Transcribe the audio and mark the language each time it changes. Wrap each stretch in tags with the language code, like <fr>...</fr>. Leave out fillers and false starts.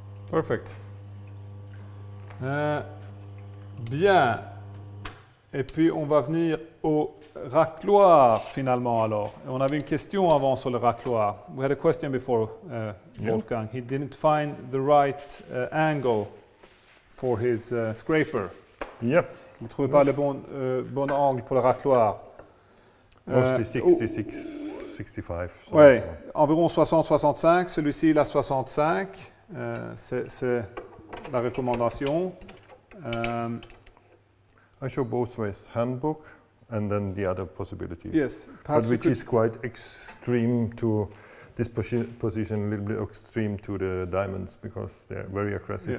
<en>Perfect.</en> <fr>Bien. Et puis on va venir au racloir finalement alors. Et on avait une question avant sur le racloir.</fr> <en>We had a question before Wolfgang. He didn't find the right angle for his scraper. Yeah.</en> <fr>Il ne trouvait pas le bon angle pour le racloir.</fr> <en>Mostly 65.</en> <fr>Ouais. Environ 60-65. Celui-ci il a 65. C'est la recommandation.</fr> <en>I show both ways, handbook and then the other possibility. Yes, but which is quite extreme to this position, a little bit extreme to the diamonds because they're very aggressive.</en>